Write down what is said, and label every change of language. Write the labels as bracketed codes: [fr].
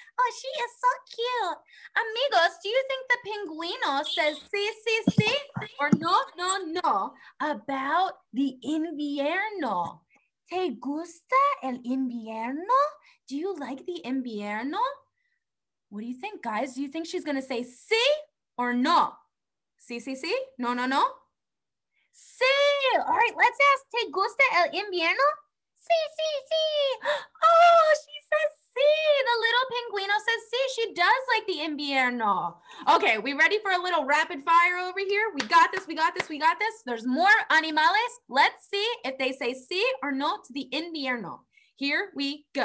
[en] Oh, she is so cute. Amigos, do you think the pinguino says sí, sí, sí, or no, no, no about the invierno? [es] ¿Te gusta el invierno? [en] Do you like the invierno? What do you think, guys? Do you think she's gonna say sí or no? [es] Sí, sí, sí, no, no, no. [en] Sí, all right, let's ask, [es] ¿te gusta el invierno? Sí, sí, sí. [en] Oh, she says sí. The little pinguino says sí, she does like the invierno. Okay, we ready for a little rapid fire over here? We got this, we got this, we got this. There's more animales. Let's see if they say sí or no to the invierno. Here we go.